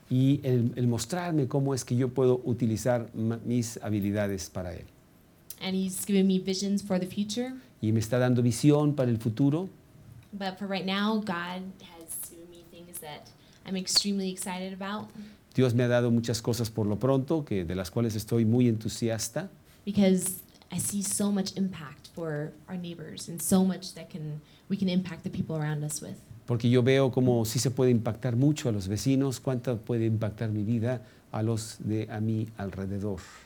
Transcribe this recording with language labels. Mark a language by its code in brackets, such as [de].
[es] Y el mostrarme cómo es que yo puedo utilizar mis habilidades para él. [en] And he's giving me visions for the future. [es] Y me está dando visión para el futuro. [en] But for right now, God has given me things that I'm extremely excited about. [es] Dios me ha dado muchas cosas por lo pronto que de las cuales estoy muy entusiasta. [en] Because I see so much impact for our neighbors and so much that we can impact the people around us with. [es] Porque yo veo cómo sí se puede impactar mucho a los vecinos, cuánto puede impactar mi vida a los de a mi alrededor.